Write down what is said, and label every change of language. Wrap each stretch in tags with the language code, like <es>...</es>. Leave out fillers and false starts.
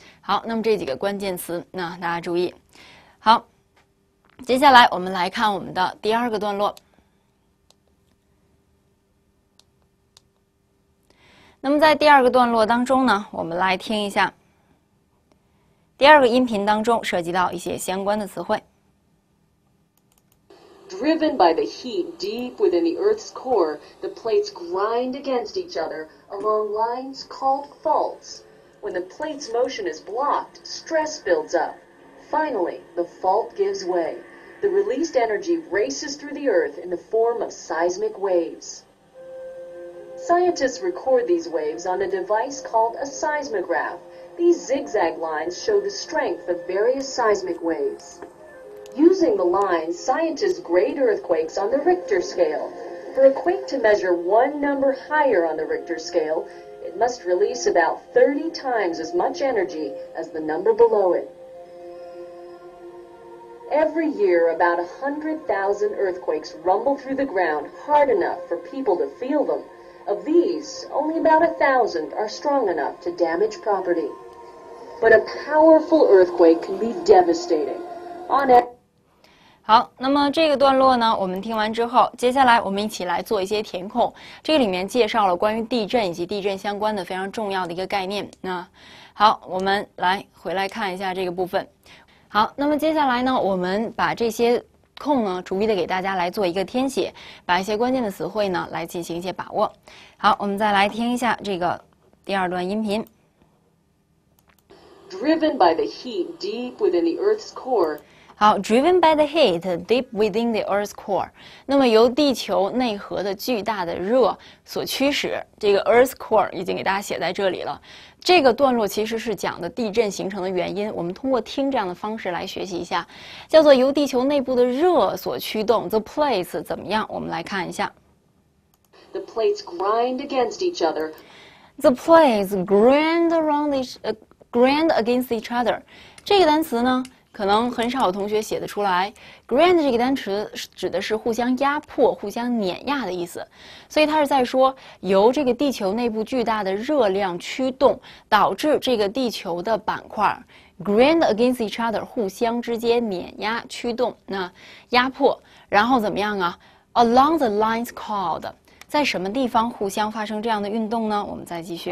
<zh>好，那么这几个关键词，那大家注意。好，接下来我们来看我们的第二个段落。那么在第二个段落当中呢，我们来听一下第二个音频当中涉及到一些相关的词汇。</zh> <en>Driven by the heat deep within the Earth's core, the plates grind against each other along lines called faults. When the plate's motion is blocked, stress builds up. Finally, the fault gives way. The released energy races through the Earth in the form of seismic waves. Scientists record these waves on a device called a seismograph. These zigzag lines show the strength of various seismic waves. Using the lines, scientists grade earthquakes on the Richter scale. For a quake to measure one number higher on the Richter scale, it must release about 30 times as much energy as the number below it. Every year, about 100,000 earthquakes rumble through the ground hard enough for people to feel them. Of these, only about 1,000 are strong enough to damage property. But a powerful earthquake can be devastating. On it.</en> <zh>好，那么这个段落呢，我们听完之后，接下来我们一起来做一些填空。这里面介绍了关于地震以及地震相关的非常重要的一个概念。那好，我们来回来看一下这个部分。好，那么接下来呢，我们把这些空呢，逐一的给大家来做一个填写，把一些关键的词汇呢，来进行一些把握。好，我们再来听一下这个第二段音频。</zh> <en>Driven by the heat deep within the Earth's core. 好 ，driven by the heat deep within the Earth's core.</en> <zh>那么由地球内核的巨大的热所驱使，这个 Earth core 已经给大家写在这里了。这个段落其实是讲的地震形成的原因，我们通过听这样的方式来学习一下，叫做由地球内部的热所驱动 ，</zh> <en>the plates</en> <zh>怎么样？我们来看一下。</zh> <en>The plates grind against each other. The plates grind around grind against each other.</en> <zh>这个单词呢，可能很少有同学写得出来。 Grind 这个单词指的是互相压迫、互相碾压的意思，所以它是在说由这个地球内部巨大的热量驱动，导致这个地球的板块</zh> <en>grind against each other</en> <zh>互相之间碾压、驱动、那压迫，然后怎么样啊 ？</zh> <en>Along the lines called，</en> <zh>在什么地方互相发生这样的运动呢？我们再继续。</zh>